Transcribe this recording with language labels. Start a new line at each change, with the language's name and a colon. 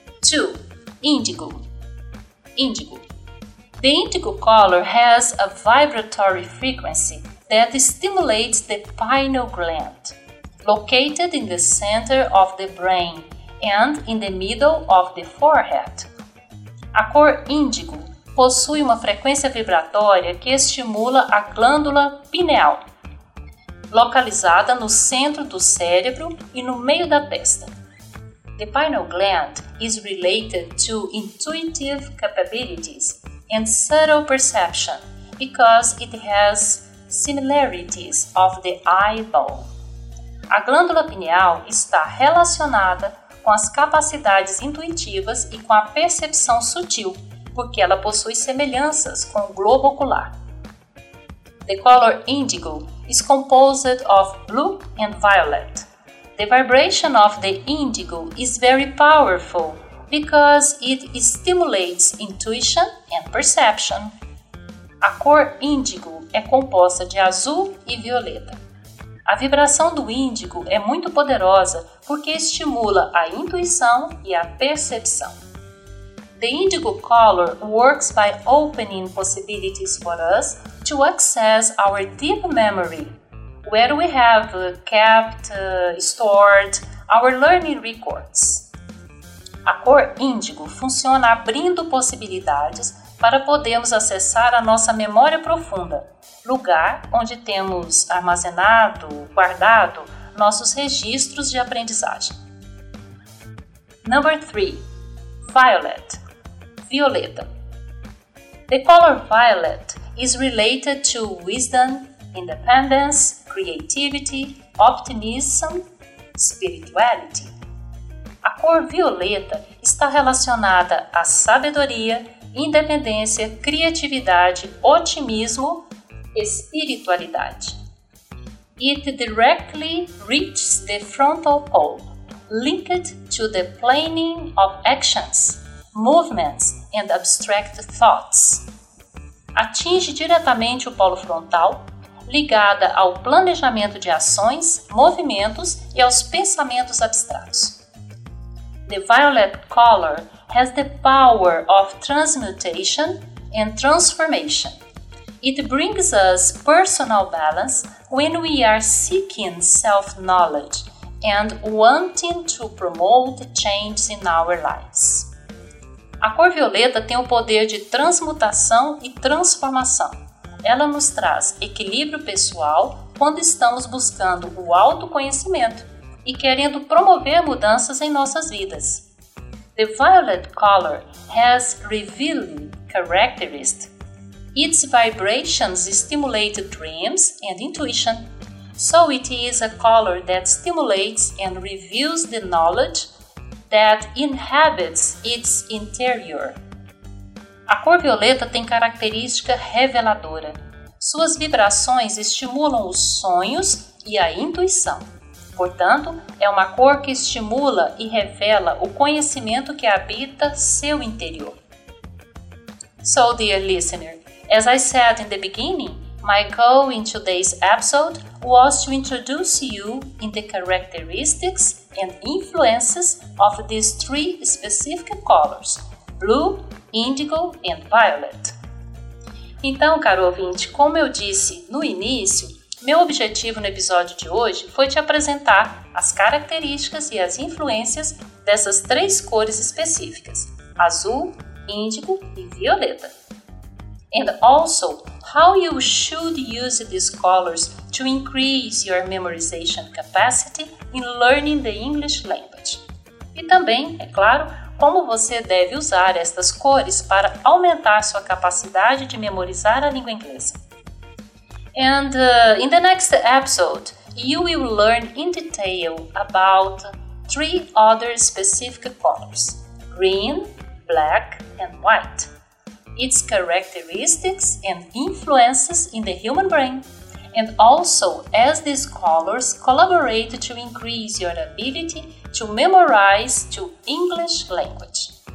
English: 2. Indigo. Indigo. The indigo color has a vibratory frequency that stimulates the pineal gland, located in the center of the brain and in the middle of the forehead.
Portuguese: A cor índigo possui uma frequência vibratória que estimula a glândula pineal, localizada no centro do cérebro e no meio da testa.
English: The pineal gland is related to intuitive capabilities and subtle perception because it has similarities of the eyeball.
Portuguese: A glândula pineal está relacionada com as capacidades intuitivas e com a percepção sutil, porque ela possui semelhanças com o globo ocular.
English: The color indigo is composed of blue and violet. The vibration of the indigo is very powerful because it stimulates intuition and perception.
Portuguese: A cor índigo é composta de azul e violeta. A vibração do índigo é muito poderosa porque estimula a intuição e a percepção.
English: The indigo color works by opening possibilities for us to access our deep memory, where we have kept, stored our learning records.
Portuguese: A cor índigo funciona abrindo possibilidades para podermos acessar a nossa memória profunda, lugar onde temos armazenado, guardado, nossos registros de aprendizagem.
English: Number 3. Violet.
Portuguese: Violeta.
English: The color violet is related to wisdom, independence, creativity, optimism, spirituality.
Portuguese: A cor violeta está relacionada à sabedoria, independência, criatividade, otimismo, espiritualidade.
English: It directly reaches the frontal pole, linked to the planning of actions, movements, and abstract thoughts.
Portuguese: Atinge diretamente o polo frontal, ligada ao planejamento de ações, movimentos e aos pensamentos abstratos.
English: The violet color has the power of transmutation and transformation. It brings us personal balance when we are seeking self-knowledge and wanting to promote change in our lives.
Portuguese: A cor violeta tem o poder de transmutação e transformação. Ela nos traz equilíbrio pessoal quando estamos buscando o autoconhecimento e querendo promover mudanças em nossas vidas.
English: The violet color has revealing characteristics. Its vibrations stimulate dreams and intuition, so it is a color that stimulates and reveals the knowledge that inhabits its interior.
Portuguese: A cor violeta tem característica reveladora. Suas vibrações estimulam os sonhos e a intuição. Portanto, é uma cor que estimula e revela o conhecimento que habita seu interior.
English: So, dear listener, as I said in the beginning, my goal in today's episode was to introduce you in the characteristics and influences of these three specific colors, blue, indigo, and violet.
Portuguese: Então, caro ouvinte, como eu disse no início, meu objetivo no episódio de hoje foi te apresentar as características e as influências dessas três cores específicas, azul, índigo e violeta.
English: And also, how you should use these colors to increase your memorization capacity in learning the English language.
Portuguese: E também, é claro, como você deve usar estas cores para aumentar sua capacidade de memorizar a língua inglesa.
English: And in the next episode, you will learn in detail about three other specific colors: green, black, and white. Its characteristics and influences in the human brain, and also as these colors collaborate to increase your ability to memorize to English language.